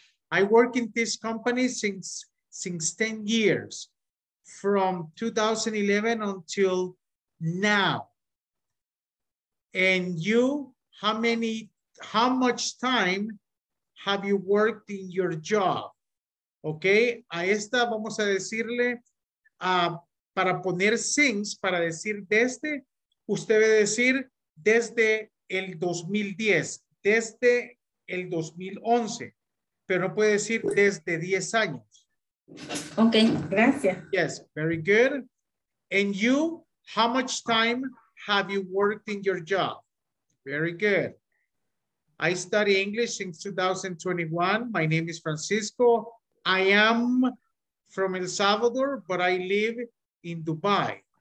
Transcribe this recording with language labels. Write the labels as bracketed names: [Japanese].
[English] I work in this company since 10 years, from 2011 until now. And you, how much time have you worked in your job? [Spanish] Okay, a esta vamos a decirle, para poner since, para decir desde, usted debe decir desde el 2010, desde el 2011, pero no puede decir desde 10 años. Okay, gracias. [English] Yes, very good. And you, how much time have you worked in your job? Very good. I study English since 2021. My name is Francisco. I am from El Salvador, but I live in Dubai.